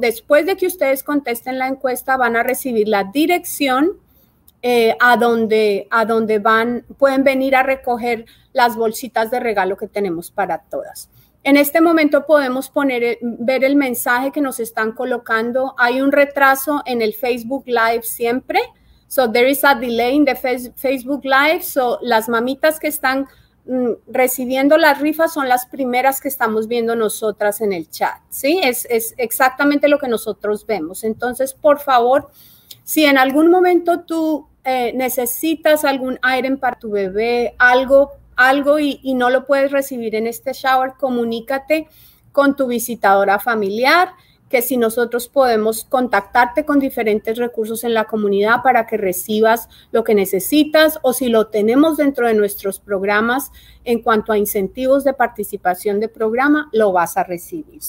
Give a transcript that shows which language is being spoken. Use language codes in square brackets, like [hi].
[es] Después de que ustedes contesten la encuesta, van a recibir la dirección a donde van, pueden venir a recoger las bolsitas de regalo que tenemos para todas. En este momento podemos ver el mensaje que nos están colocando. Hay un retraso en el Facebook Live siempre. [en] So there is a delay in the Facebook Live. [es] So las mamitas que están recibiendo las rifas son las primeras que estamos viendo nosotras en el chat. Sí, es exactamente lo que nosotros vemos. Entonces, por favor, si en algún momento tú necesitas algún aire para tu bebé, algo y no lo puedes recibir en este shower, comunícate con tu visitadora familiar, que si nosotros podemos contactarte con diferentes recursos en la comunidad para que recibas lo que necesitas, o si lo tenemos dentro de nuestros programas en cuanto a incentivos de participación de programa, lo vas a recibir.